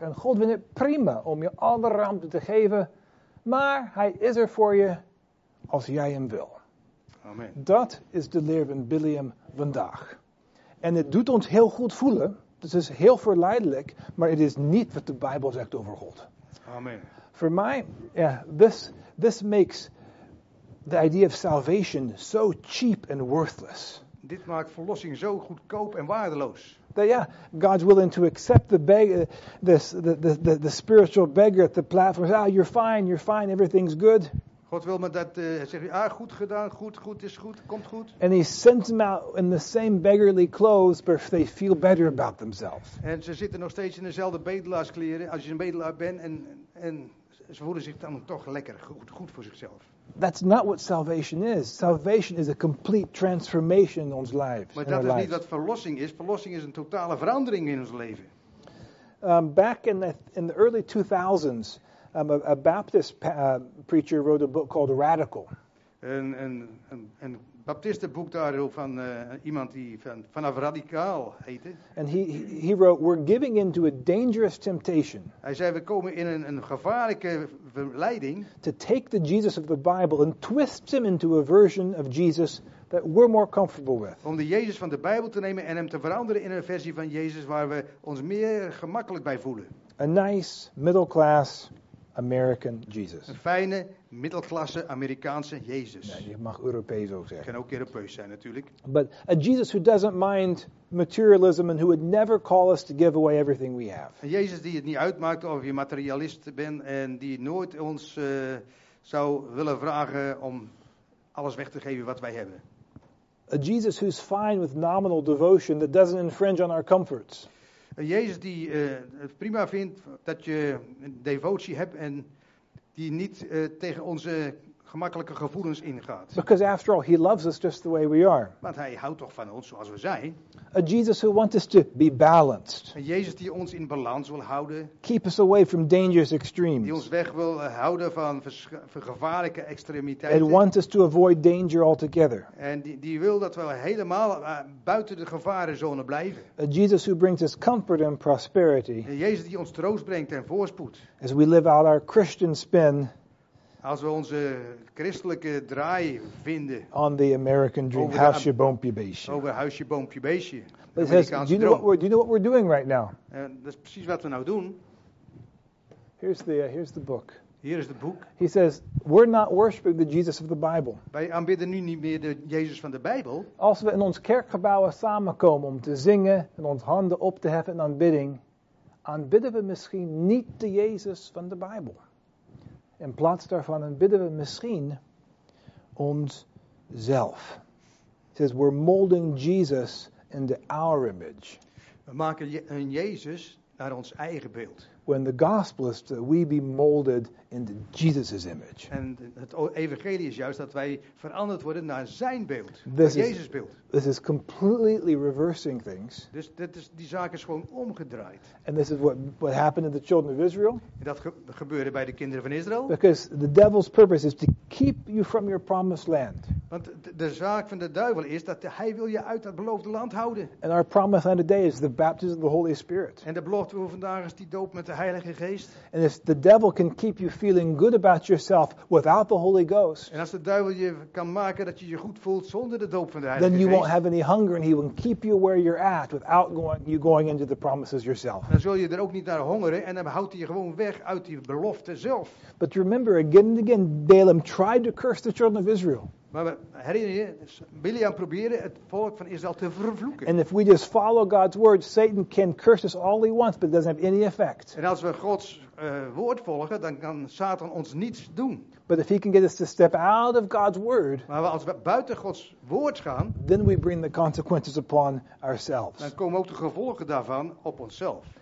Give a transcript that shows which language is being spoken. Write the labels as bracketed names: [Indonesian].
[Dutch] En God vindt het prima om je alle ruimte te geven, maar hij is er voor je als jij hem wil. Amen. Dat is de leer van Biliam vandaag. En het doet ons heel goed voelen. Het is heel verleidelijk, maar het is niet wat de Bijbel zegt over God. Amen. Voor mij, [English] yeah, this makes the idea of salvation so cheap and worthless. [Dutch] Dit maakt verlossing zo goedkoop en waardeloos. [English] That, yeah, God's willing to accept the spiritual beggar at the platform. Ah, you're fine, everything's good. [Dutch] God wil me dat zeggen. Ah, goed gedaan, goed is goed, komt goed. [English] And he sends them out in the same beggarly clothes, but they feel better about themselves. [Dutch] En ze zitten nog steeds in dezelfde bedelaarskleren als je een bedelaar bent, en ze voelen zich dan toch lekker, goed voor zichzelf. [English] That's not what salvation is. Salvation is a complete transformation [Dutch] in ons leven. Maar dat is niet wat verlossing is. Verlossing is een totale verandering in ons leven. [English] Back in the early 2000s. A Baptist preacher wrote a book called Radical. [Dutch] Een Baptiste boek daarop van iemand die vanaf radicaal heette. [English] And he wrote, we're giving into a dangerous temptation. [Dutch] Hij zei, we komen in een gevaarlijke verleiding. [English] To take the Jesus of the Bible and twist him into a version of Jesus that we're more comfortable with. [Dutch] Om de Jezus van de Bijbel te nemen en hem te veranderen in een versie van Jezus waar we ons meer gemakkelijk bij voelen. [English] A nice middle class American Jesus. [Dutch] Een fijne, middelklasse, Amerikaanse Jezus. Ja, je mag Europees ook zeggen. Kan ook Europees zijn natuurlijk. [English] But a Jesus who doesn't mind materialism and who would never call us to give away everything we have. [Dutch] Een Jezus die het niet uitmaakt of je materialist bent en die nooit ons zou willen vragen om alles weg te geven wat wij hebben. [English] A Jesus who's fine with nominal devotion that doesn't infringe on our comforts. [Dutch] Een Jezus die het prima vindt dat je een devotie hebt en die niet tegen onze gemakkelijke gevoelens ingaat. [English] Because after all, he loves us just the way we are. [Dutch] Want hij houdt toch van ons zoals we zijn. [English] A Jesus who wants us to be balanced. [Dutch] Een Jezus die ons in balans wil houden. [English] Keep us away from dangerous extremes. [Dutch] Die ons weg wil houden van gevaarlijke extremiteiten. [English] And wants us to avoid danger altogether. [Dutch] En die wil dat we helemaal buiten de gevarenzone blijven. [English] A Jesus who brings us comfort and prosperity. [Dutch] Een Jezus die ons troost brengt en voorspoed. [English] As we live out our Christian spin. [Dutch] Als we onze christelijke draai vinden. [English] On the American dream. [Dutch] Over huisje, boompje, beestje. Over huisje, boompje, beestje. [English] Do you know what we're doing right now? [Dutch] Dat is precies wat we nou doen. [English] Here's the book. [Dutch] Hier is het boek. [English] He says, we're not worshiping the Jesus of the Bible. [Dutch] Wij aanbidden nu niet meer de Jezus van de Bijbel. Als we in ons kerkgebouw samenkomen om te zingen en onze handen op te heffen in aanbidding. Aanbidden we misschien niet de Jezus van de Bijbel. In plaats daarvan aanbidden we misschien onszelf. [English] It says we're molding Jesus into our image. [Dutch] We maken een Jezus naar ons eigen beeld. [English] When the gospel is that we be molded into Jesus' image. [Dutch] En het evangelie is juist dat wij veranderd worden naar zijn beeld, naar Jezus beeld. [English] This is completely reversing things. [Dutch] Dus die zaak is gewoon omgedraaid. [English] And this is what happened to the children of Israel. [Dutch] En dat gebeurde bij de kinderen van Israël. [English] Because the devil's purpose is to keep you from your promised land. [Dutch] Want de zaak van de duivel is dat hij wil je uit dat beloofde land houden. [English] And our promise on today is the baptism of the Holy Spirit. [Dutch] En de belofte voor vandaag is die doop met de Heilige Geest. [English] And if the devil can keep you feeling good about yourself without the Holy Ghost. [Dutch] En als de duivel je kan maken dat je je goed voelt zonder de doop van de Heilige Geest. [English] Then you won't have any hunger and he will keep you where you're at without going into the promises yourself. [Dutch] Dan zul je er ook niet naar hongeren en dan houdt hij je gewoon weg uit die belofte zelf. [English] But remember again and again Balaam tried to curse the children of Israel. [Dutch] Maar herinner je, Bileam probeerde het volk van Israël te vervloeken. [English] And if we just follow God's word, Satan can curse us all he wants, but it doesn't have any effect. [Dutch] En als we Gods woord volgen, dan kan Satan ons niets doen. [English] But if he can get us to step out of God's word, [Dutch] maar als we buiten Gods woord gaan, [English] then we bring the consequences upon ourselves. [Dutch] Dan komen ook de gevolgen daarvan op onszelf.